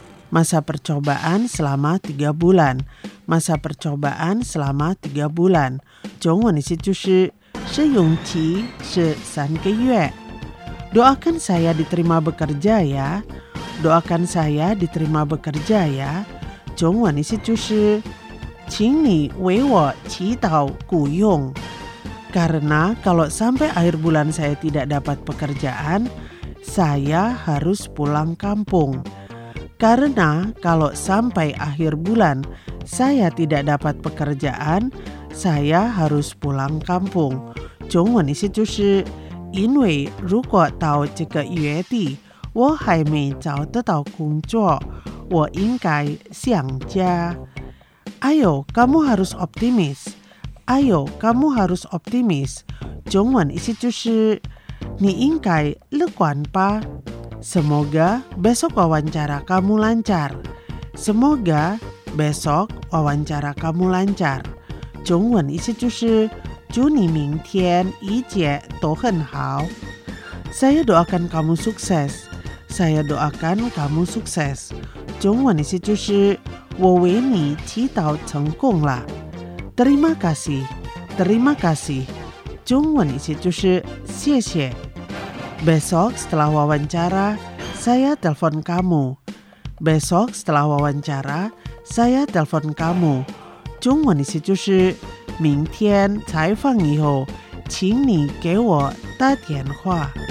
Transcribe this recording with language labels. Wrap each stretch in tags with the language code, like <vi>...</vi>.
<id>Masa percobaan selama tiga bulan</id> <zh>中文意思就是试用期是三个月。</zh> <id>doakan saya diterima bekerja ya doakan saya diterima bekerja ya.</id> <zh>中文意思就是，请你为我祈祷雇佣。</zh> <id>Karena kalau sampai akhir bulan saya tidak dapat pekerjaan, saya harus pulang kampung. Karena kalau sampai akhir bulan saya tidak dapat pekerjaan, saya harus pulang kampung.</id> <zh>中文意思就是，因为如果到这个月底我还没找得到工作，我应该想家。</zh> <id>Ayo, kamu harus optimis. Ayo, kamu harus optimis.</id> <zh>中文意思就是，你应该乐观吧。</zh> <id>Semoga besok wawancara kamu lancar. Semoga besok wawancara kamu lancar.</id> <zh>中文意思就是，祝你明天一切都很好。</zh> <id>Saya doakan kamu sukses. Saya doakan kamu sukses.</id> <zh>中文意思就是我为你祈祷成功了。</zh> <id>Terima kasih, terima kasih.</id> <zh>中文意思就是谢谢。</zh> <id>Besok setelah wawancara, saya telpon kamu. Besok setelah wawancara, saya telpon kamu.</id> <zh>中文意思就是明天采访以后，请你给我打电话。</zh>